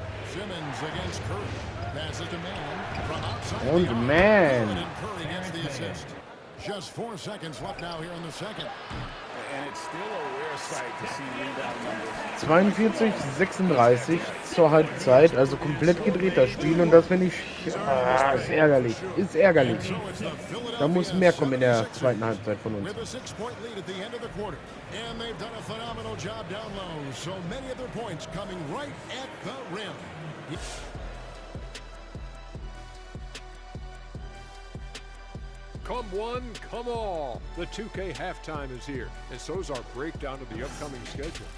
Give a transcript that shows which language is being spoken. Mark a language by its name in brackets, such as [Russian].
[English] Simmons against Curry. Passes to Mann from outside. Old man. Curry gets the assist. Just 4 seconds left now here in the second. And it's still a rare sight to see rebound numbers. [German] 42, 36 zur Halbzeit, also komplett gedrehter Spiel, und das finde ich ist ärgerlich. Ist ärgerlich. Da muss mehr kommen in der zweiten Halbzeit von uns. [English] And they've done a phenomenal job down low. So many of their points coming right at the rim. Come one, come all. The 2K halftime is here, and so is our breakdown of the upcoming schedule.